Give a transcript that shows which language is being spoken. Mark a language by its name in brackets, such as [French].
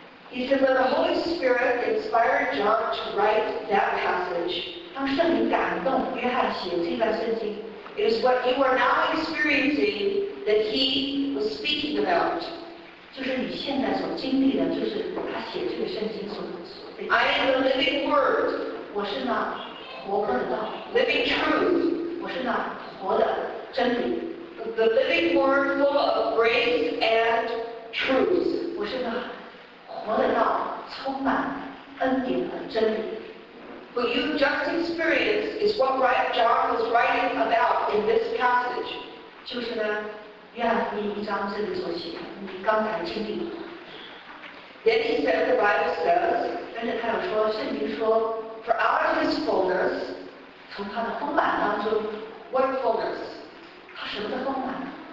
[English] He said, when the Holy Spirit inspired John to write that passage, [Chinese] 当圣灵感动约翰写这段圣经 [English] it is what you are now experiencing that he was speaking about. [Chinese] 就是你现在所经历的，就是他写这个圣经所。 [English] I am the living word. [Chinese] 我是那活泼的道。 [English] Living truth. [Chinese] 我是那活的真理。 [English] The living word full of grace and truth. [Chinese] 我是那活的道充满恩典和真理。 [English] What you just experienced is what John was writing about in this passage. [Chinese] 就是呢，约翰福音一章这里所写的，你刚才经历。 [English] Then he said, the Bible says. [Chinese] 跟着他又说，圣经说 [English] ，For out of his fullness, [Chinese] 从他的丰满当中 [English] ，What fullness? [Chinese] 他什么的丰满